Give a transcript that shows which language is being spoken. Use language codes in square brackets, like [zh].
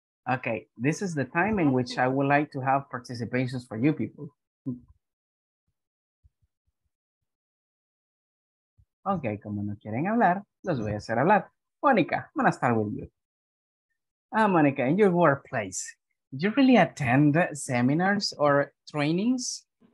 [en] Okay, this is the time in which I would like to have participations for you people. [es] Okay, como no quieren hablar, los voy a hacer hablar. [en] Monica, I'm gonna start with you. Monica, in your workplace, do you really attend seminars or trainings?